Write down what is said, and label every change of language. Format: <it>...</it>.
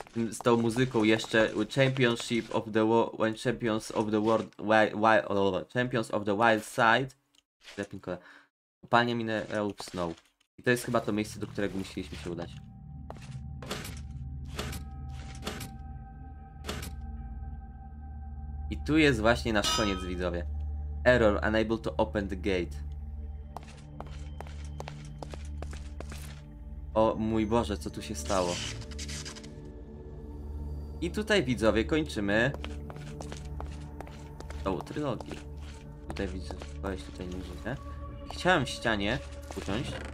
<pl>Z tą muzyką jeszcze</pl> <en>Championship of the World, when Champions of the World, Champions of the Wild Side.</en> <pl>Kopalnia minerałów Snow. I to jest chyba to miejsce, do którego musieliśmy się udać. I tu jest właśnie nasz koniec, widzowie.</pl> <en>Error, unable to open the gate.</en> <pl>O mój Boże, co tu się stało? I tutaj, widzowie, kończymy tą trylogię. Tutaj widzę, że tutaj nie żyje. Chciałem w ścianie usiąść.</pl>